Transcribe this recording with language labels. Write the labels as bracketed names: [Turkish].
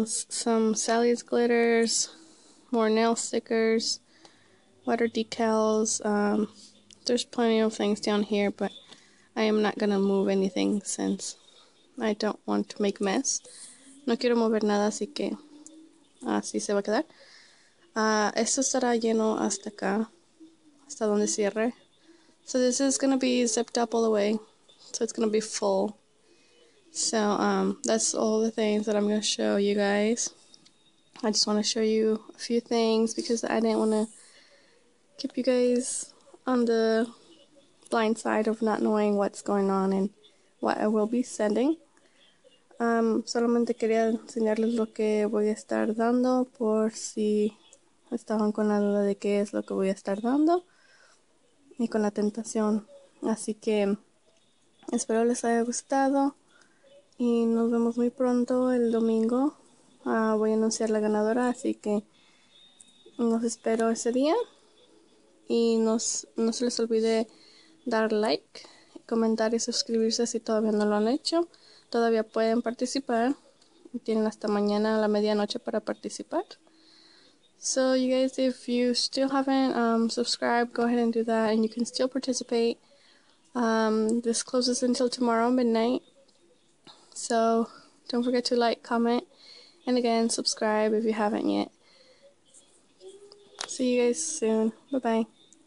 [English] Some Sally's glitters. More nail stickers. Water decals. There's plenty of things down here, but I am not going to move anything since I don't want to make mess. [Spanish] No quiero mover nada, así que así se va a quedar. Esto estará lleno hasta acá, hasta donde cierre. [English] So this is going to be zipped up all the way, so it's going to be full. So that's all the things that I'm going to show you guys. I just want to show you a few things because I didn't want to keep you guys on the blind side of not knowing what's going on and what I will be sending. [Spanish] Solamente quería enseñarles lo que voy a estar dando por si estaban con la duda de qué es lo que voy a estar dando y con la tentación. Así que espero les haya gustado y nos vemos muy pronto el domingo. Voy a anunciar la ganadora, así que los espero ese día y no se les olvide dar like, comentar y suscribirse si todavía no lo han hecho. Todavía pueden participar. Tienen hasta mañana a la medianoche para participar. [English] So you guys, if you still haven't subscribed, go ahead and do that and you can still participate. This closes until tomorrow midnight. So don't forget to like, comment, and again, subscribe if you haven't yet. See you guys soon. Bye-bye.